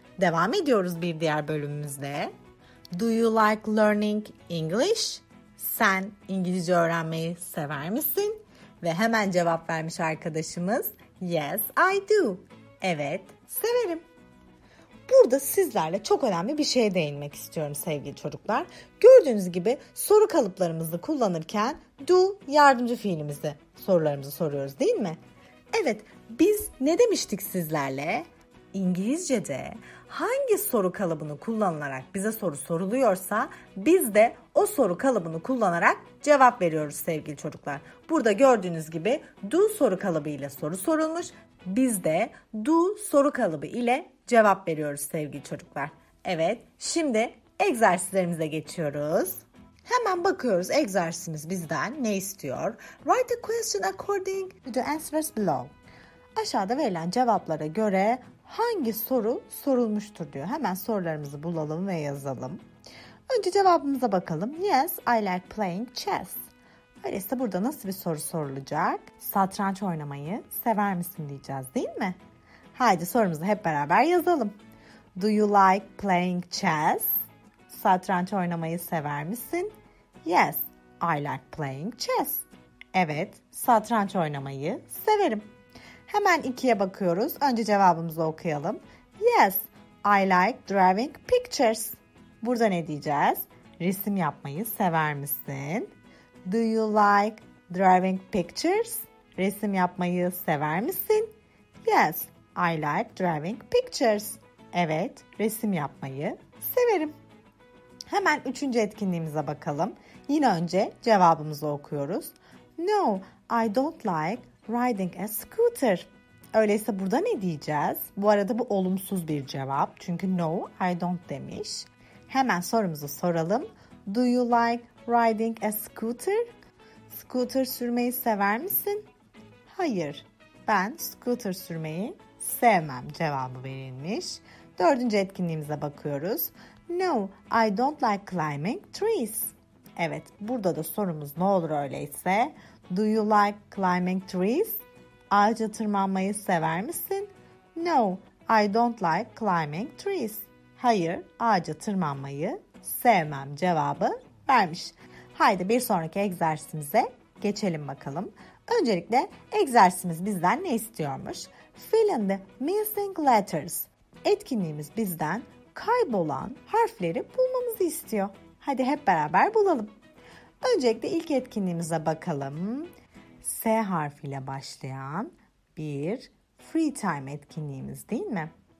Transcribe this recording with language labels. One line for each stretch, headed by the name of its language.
Turkish: Devam ediyoruz bir diğer bölümümüzde.
English: Do you like learning English?
Turkish: Sen İngilizce öğrenmeyi sever misin? Ve hemen cevap vermiş arkadaşımız.
English: Yes, I do.
Turkish: Evet, severim. Burada sizlerle çok önemli bir şeye değinmek istiyorum sevgili çocuklar. Gördüğünüz gibi soru kalıplarımızı kullanırken do yardımcı fiilimizi sorularımızı soruyoruz değil mi? Evet, biz ne demiştik sizlerle? İngilizce'de hangi soru kalıbını kullanılarak bize soru soruluyorsa biz de o soru kalıbını kullanarak cevap veriyoruz sevgili çocuklar. Burada gördüğünüz gibi do soru kalıbı ile soru sorulmuş. Biz de do soru kalıbı ile cevap veriyoruz sevgili çocuklar. Evet, şimdi egzersizlerimize geçiyoruz. Hemen bakıyoruz egzersizimiz bizden ne istiyor.
English: Write a question according to the answers below.
Turkish: Aşağıda verilen cevaplara göre hangi soru sorulmuştur diyor. Hemen sorularımızı bulalım ve yazalım. Önce cevabımıza bakalım.
English: Yes, I like playing chess.
Turkish: Öyleyse burada nasıl bir soru sorulacak? Satranç oynamayı sever misin diyeceğiz değil mi? Haydi sorumuzu hep beraber yazalım.
English: Do you like playing chess?
Turkish: Satranç oynamayı sever misin?
English: Yes, I like playing chess.
Turkish: Evet, satranç oynamayı severim. Hemen ikiye bakıyoruz. Önce cevabımızı okuyalım.
English: Yes, I like drawing pictures.
Turkish: Burada ne diyeceğiz? Resim yapmayı sever misin?
English: Do you like drawing pictures?
Turkish: Resim yapmayı sever misin?
English: Yes, I like drawing pictures.
Turkish: Evet, resim yapmayı severim. Hemen üçüncü etkinliğimize bakalım. Yine önce cevabımızı okuyoruz.
English: No, I don't like riding a scooter.
Turkish: Öyleyse burada ne diyeceğiz? Bu arada bu olumsuz bir cevap. Çünkü
English: no, I don't
Turkish: demiş. Hemen sorumuzu soralım.
English: Do you like riding a scooter?
Turkish: Scooter sürmeyi sever misin? Hayır, ben scooter sürmeyi sevmem cevabı verilmiş. Dördüncü etkinliğimize bakıyoruz.
English: No, I don't like climbing trees.
Turkish: Evet, burada da sorumuz ne olur öyleyse.
English: Do you like climbing trees?
Turkish: Ağaca tırmanmayı sever misin?
English: No, I don't like climbing trees.
Turkish: Hayır, ağaca tırmanmayı sevmem cevabı vermiş. Haydi bir sonraki egzersizimize geçelim bakalım. Öncelikle egzersizimiz bizden ne istiyormuş?
English: Fill in the missing letters.
Turkish: Etkinliğimiz bizden kaybolan harfleri bulmamızı istiyor. Hadi hep beraber bulalım. Öncelikle ilk etkinliğimize bakalım. S harfiyle başlayan bir free time etkinliğimiz değil mi?